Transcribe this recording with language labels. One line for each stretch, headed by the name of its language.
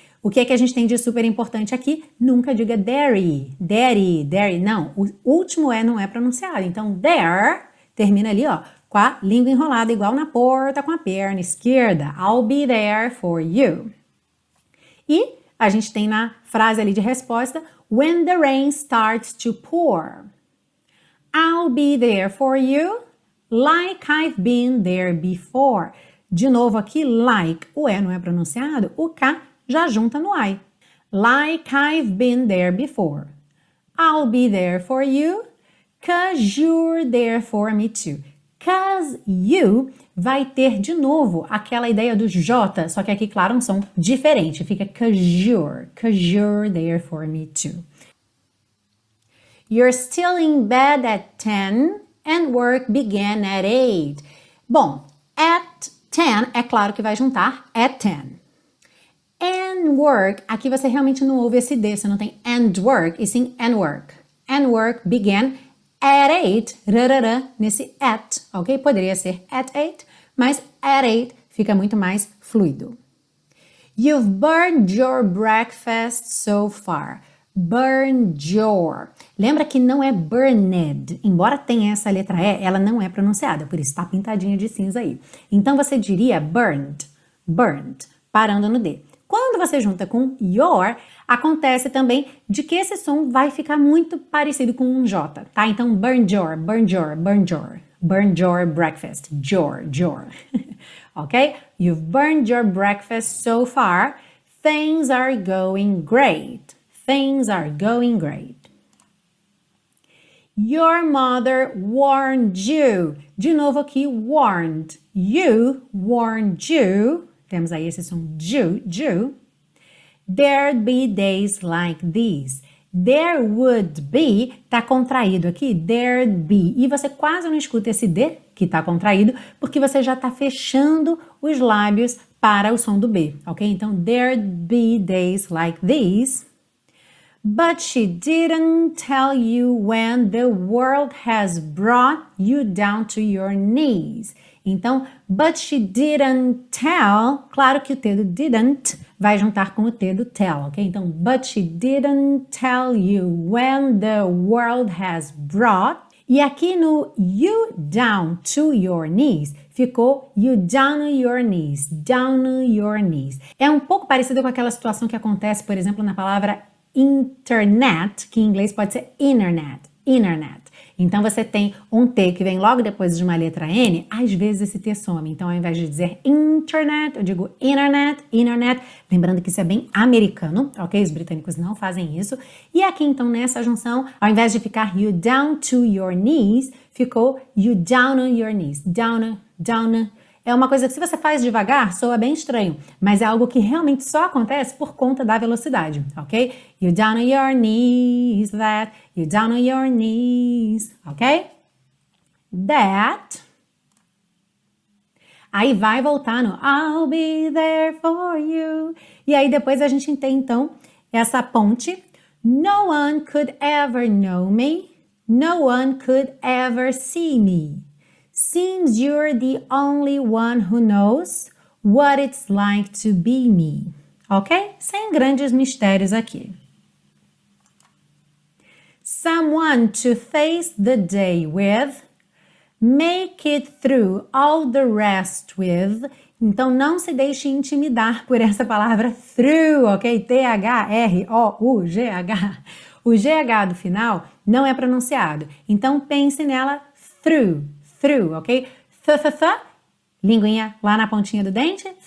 Portuguese: O que é que a gente tem de super importante aqui? Nunca diga there, there, there. Não, o último E não é pronunciado. Então, there termina ali, ó, com a língua enrolada, igual na porta, com a perna esquerda.
English: I'll be there for you.
Portuguese: E a gente tem na frase ali de resposta,
English: when the rain starts to pour. I'll be there for you, like I've been there before.
Portuguese: De novo aqui, like, o E não é pronunciado, o K já junta no I.
English: Like I've been there before. I'll be there for you, 'cause you're there for me too. 'Cause you
Portuguese: vai ter de novo aquela ideia do J, só que aqui, claro, um som diferente. Fica
English: 'cause you're there for me too. You're still in bed at 10 and work began at 8.
Portuguese: Bom, at 10 é claro que vai juntar at 10. And work, aqui você realmente não ouve esse D, você não tem and work, e sim and work.
English: And work began at 8, rarara, nesse at, ok?
Portuguese: Poderia ser at 8, mas at 8 fica muito mais fluido.
English: You've burned your breakfast so far. Burned your.
Portuguese: Lembra que não é burned, embora tenha essa letra E, ela não é pronunciada, por isso está pintadinha de cinza aí. Então você diria burned, burned, parando no D. Quando você junta com your, acontece também de que esse som vai ficar muito parecido com um J, tá?
English: Então, burn your, burn your, burn your, burn your breakfast, your. Ok? You've burned your breakfast so far. Things are going great. Things are going great. Your mother warned you.
Portuguese: De novo aqui,
English: warned. You warned you. Temos aí esse som, you. There'd be days like these. There would be
Portuguese: está contraído aqui,
English: there'd be.
Portuguese: E você quase não escuta esse D que está contraído, porque você já está fechando os lábios para o som do B, ok?
English: Então, there'd be days like these. But she didn't tell you when the world has brought you down to your knees.
Portuguese: Então,
English: but she didn't tell,
Portuguese: claro que o T do didn't vai juntar com o T do tell, ok?
English: Então, but she didn't tell you when the world has brought.
Portuguese: E aqui no
English: you down to your knees,
Portuguese: ficou
English: you down on your knees, down on your knees.
Portuguese: É um pouco parecido com aquela situação que acontece, por exemplo, na palavra internet, que em inglês pode ser internet, internet. Então, você tem um T que vem logo depois de uma letra N, às vezes esse T some. Então, ao invés de dizer internet, eu digo internet, internet. Lembrando que isso é bem americano, ok? Os britânicos não fazem isso. E aqui, então, nessa junção, ao invés de ficar
English: you down to your knees,
Portuguese: ficou
English: you down on your knees.
Portuguese: Down, down. É uma coisa que se você faz devagar, soa bem estranho. Mas é algo que realmente só acontece por conta da velocidade, ok?
English: You down on your knees, that. You down on your knees, ok? That.
Portuguese: Aí vai voltar no
English: I'll be there for you.
Portuguese: E aí depois a gente tem, então, essa ponte.
English: No one could ever know me. No one could ever see me. Seems you're the only one who knows what it's like to be me. Ok?
Portuguese: Sem grandes mistérios aqui.
English: Someone to face the day with. Make it through all the rest with.
Portuguese: Então, não se deixe intimidar por essa palavra through, ok? T-H-R-O-U-G-H. O G-H do final não é pronunciado. Então, pense nela through. Through, ok? Th-th-th, linguinha lá na pontinha do dente.